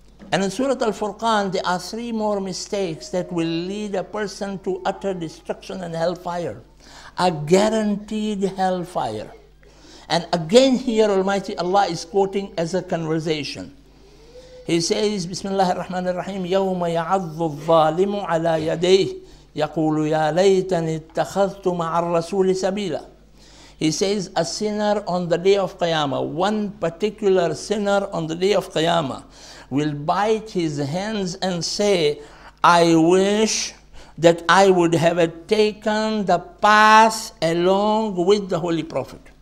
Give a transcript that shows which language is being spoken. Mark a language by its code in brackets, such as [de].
[en] And in Surah Al-Furqan, there are three more mistakes that will lead a person to utter destruction and hellfire, a guaranteed hellfire. And again here, Almighty Allah is quoting as a conversation. He says, [ar] Bismillah ar-Rahman ar-Rahim, يَوْمَ يَعَظُّ الظَّالِمُ عَلَىٰ يَدَيْهِ يَقُولُ يَا لَيْتَنِ اتَّخَذْتُ مَعَ الرَّسُولِ سَبِيلًا. [en] He says, a sinner on the day of Qiyamah, one particular sinner on the day of Qiyamah, will bite his hands and say, I wish that I would have taken the path along with the Holy Prophet.